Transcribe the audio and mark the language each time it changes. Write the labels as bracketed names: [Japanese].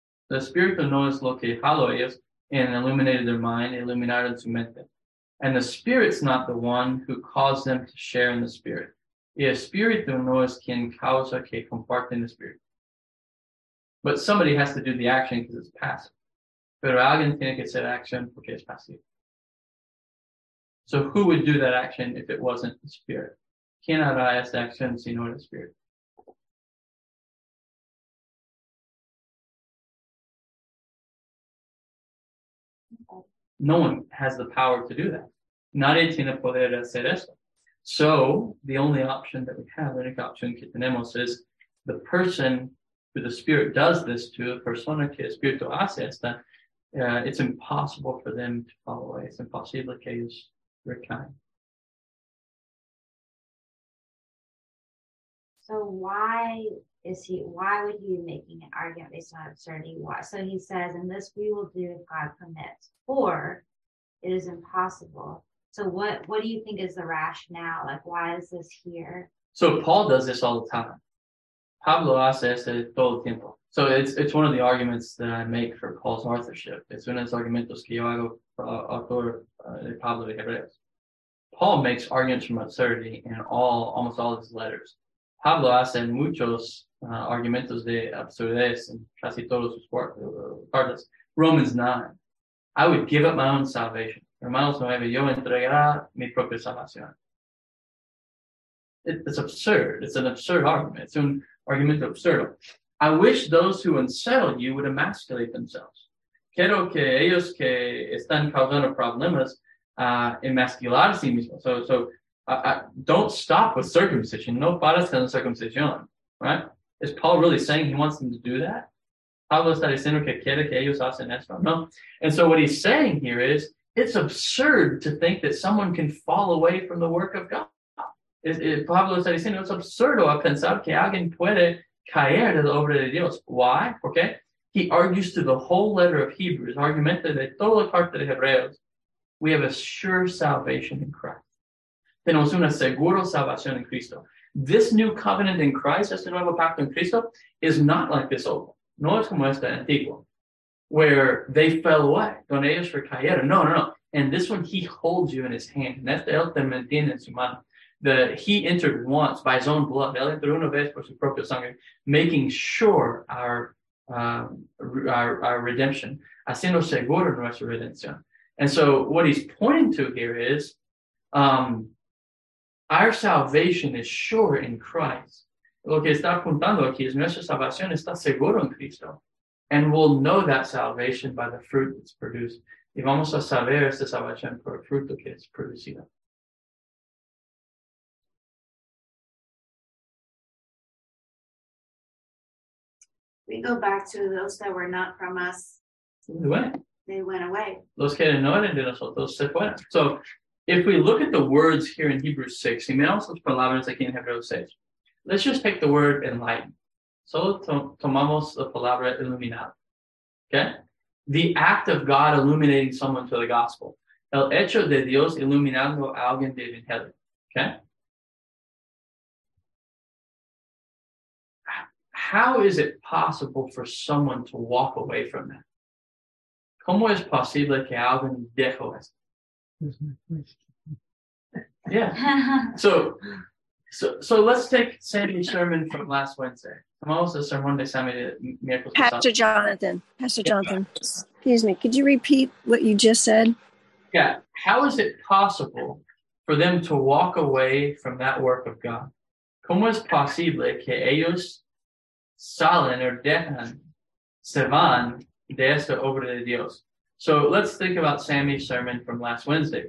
[Spanish] The Spirit no es lo que jaló ellos [English] and illuminated their mind, [Spanish] iluminaron su mente. [English] And the Spirit's not the one who caused them to share in the Spirit. [Spanish] Y Espíritu no es quien causa que comparten el Espíritu. [English] But somebody has to do the action because it's passive. [Spanish] Pero alguien tiene que hacer acción porque es pasivo. [English] So who would do that action if it wasn't the Spirit? [Spanish] ¿Quién hará esta acción si no es el Espíritu? [English] No one has the power to do that. [Spanish] Nadie tiene poder de hacer eso. [English] So the only option that we have, the [Spanish] única opción que tenemos, [English] is the person who the Spirit does this to, the [Spanish] persona que el Espíritu hace esta, [English] it's impossible for them to fall away. It's impossible [Spanish] que ellos recaen. [English] So why would he be making an argument based on absurdity? So he says, and this we will do if God permits, or it is impossible. So what do you think is the rationale? Like, why is this here? So Paul does this all the time. [Spanish] Pablo hace esto todo el tiempo. [English] So it's one of the arguments that I make for Paul's authorship. [Spanish] Es uno de los argumentos que yo hago autor de Pablo de Hebreos. [English] Paul makes arguments from absurdity in almost all of his letters. [Spanish] Pablo hace muchos argumentos de absurdez en casi todos sus cartas. [English] Romans 9. I would give up my own salvation. [Spanish] Hermanos 9, yo entregará mi propia salvación. [English] It's absurd. It's an absurd argument. It's an argument absurd. I wish those who unsettle you would emasculate themselves. [Spanish] Quiero que ellos que están causando problemas emasculados a sí mismos. [English] So don't stop with circumcision. [Spanish] No paras con la circuncisión. [English] Right? Is Paul really saying he wants them to do that? [Spanish] Pablo está diciendo que quiere que ellos hacen esto. No. [English] And so what he's saying here is, it's absurd to think that someone can fall away from the work of God. [Spanish] Pablo está diciendo, es absurdo a pensar que alguien puede caer de la obra de Dios. [English] Why? Okay. He argues through the whole letter of Hebrews, [Spanish] argumenta de toda la carta de Hebreos. [English] We have a sure salvation in Christ. [Spanish] Tenemos una segura salvación en Cristo. [English] This new covenant in Christ, [Spanish] este nuevo pacto en Cristo, [English] is not like this old one. [Spanish] No es como esta antigua, [English] where they fell away. [Spanish] Donde ellos recayeron. No. [English] And this one, he holds you in his hand. [Spanish] En este, él te mantiene en su mano. [English] He entered once by his own blood. [Spanish] Él entró una vez por su propia sangre, [English] making sure our our redemption, [Spanish] haciendo seguro nuestra redención. [English] And so what he's pointing to here is our salvation is sure in Christ. [Spanish] Lo que está apuntando aquí es nuestra salvación está seguro en Cristo. [English] And we'll know that salvation by the fruit that's produced. [Spanish] Y vamos a saber esta salvación por el fruto que es producido. [English] We go back to those that were not from us. They went away. [Spanish] Los que no eran de nosotros se fueron. [English] So, if we look at the words here in Hebrews 6, [Spanish] y miramos las palabras aquí en Hebreos 6, [English] let's just take the word enlightened. [Spanish] Solo tomamos la palabra iluminado. Okay? [English] The act of God illuminating someone to the gospel. [Spanish] El hecho de Dios iluminando a alguien de Evangelio. [English] Okay? How is it possible for someone to walk away from that? [Spanish] ¿Cómo es posible que alguien dejó esto? [English] Yeah. So let's take Sammy's sermon from last Wednesday. Pastor Jonathan. Excuse me. Could you repeat what you just said? Yeah. How is it possible for them to walk away from that work of God? [Spanish] ¿Cómo es posible que ellos salen o dejan, se van de esta obra de Dios? [English] So let's think about Sammy's sermon from last Wednesday.